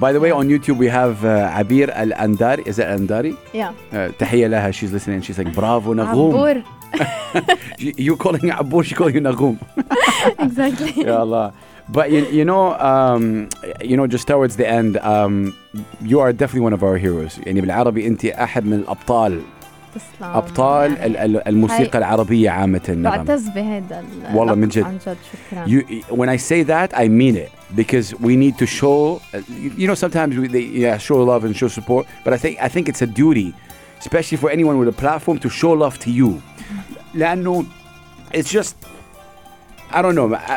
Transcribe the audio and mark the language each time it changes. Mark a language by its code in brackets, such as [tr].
[en] By the way, on YouTube we have Abir Al Andari. Is it Andari? Yeah. [ar] Tahiya laha. [en] She's listening. She's like, "Bravo, Nagum." Abur. You calling Abur? She calling you Nagum. Exactly. [ar] Ya Allah. [en] But you know, just towards the end, you are definitely one of our heroes. [ar] يعني بالعربي أنت أحد من الأبطال. تسلام. أبطال يعني الموسيقى العربية عامة النغم. بعتز بهذا. والله من جد. شكرا. [en] When I say that, I mean it. Because we need to show, you know, sometimes we show love and show support. But I think it's a duty, especially for anyone with a platform, to show love to you. لأنه it's just, I don't know.